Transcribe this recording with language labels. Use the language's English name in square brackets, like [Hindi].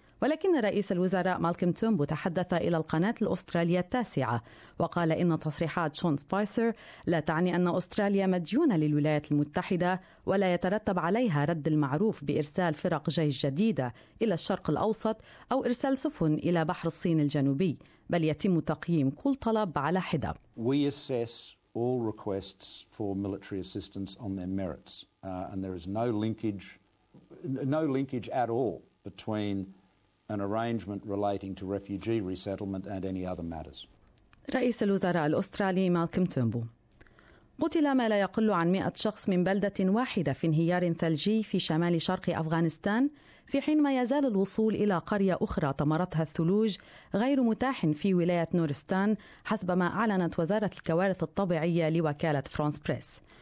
[Arabic] ولكن رئيس الوزراء مالكوم تومبو تحدث إلى القناة الأسترالية التاسعة وقال إن تصريحات شون سبايسر لا تعني أن أستراليا مديونة للولايات المتحدة ولا يترتب عليها رد المعروف بإرسال فرق جيش جديدة إلى الشرق الأوسط أو إرسال سفن إلى بحر الصين الجنوبي، بل يتم تقييم كل طلب على حدة. [English] All requests for military assistance on their merits, and there is no linkage at all between an arrangement relating to refugee resettlement and any other matters. [Arabic] رئيس الوزراء الأسترالي مالكوم تومبو. قتل ما لا يقل عن 100 شخص من بلدة واحدة في انهيار ثلجي في شمال شرق أفغانستان، في حين ما يزال الوصول إلى قرية أخرى طمرتها الثلوج غير متاح في ولاية نورستان حسب ما أعلنت وزارة الكوارث الطبيعية لوكالة فرانس بريس.